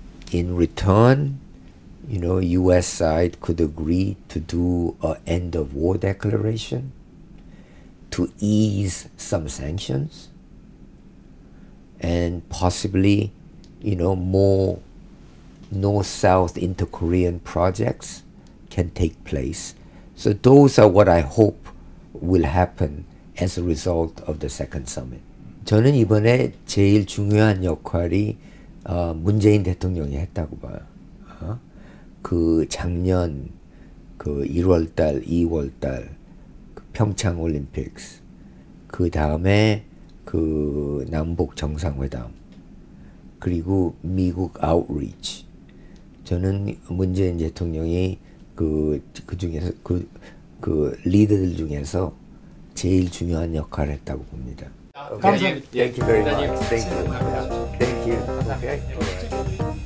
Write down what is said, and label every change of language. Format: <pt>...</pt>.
<en>In return, you know, US side could agree to do a end of war declaration to ease some sanctions and possibly, you know, more North-South inter-Korean projects can take place. So those are what I hope will happen as a result of the second summit.</en> <ko>저는 이번에 제일 중요한 역할이 문재인 대통령이 했다고 봐요. 그 작년 그 1월달, 2월달 그 평창 올림픽스, 그 다음에 그 남북 정상회담, 그리고 미국 아웃리치. 저는 저는 문재인 대통령이 그 중에서 그 리더들 중에서 제일 중요한 역할을 했다고 봅니다. 감사합니다.</ko> <en>Thank you very much. Thank you. Thank you. Okay.</en>